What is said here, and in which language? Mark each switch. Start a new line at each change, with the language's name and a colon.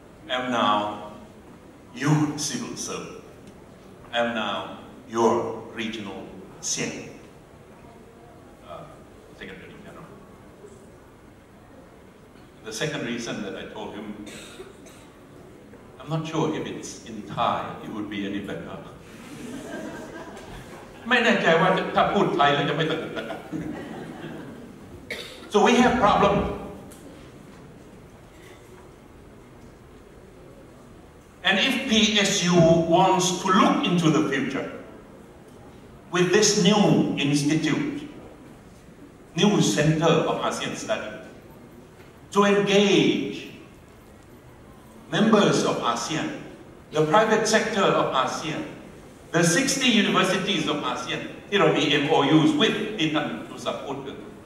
English: I'm now your civil servant. I'm now your regional ASEAN Secretary General. The second reason that I told him, I'm not sure if it's in Thai, it would be any better.
Thai: ไม่แน่ใจว่าถ้าพูดไทยแล้วจะไม่ตกใจ
English: So we have problem. And if PSU wants to look into the future with this new institute, new center of ASEAN studies, to engage members of ASEAN, the private sector of ASEAN,The 60 universities of ASEAN, it will be MOUs with Titan to support them.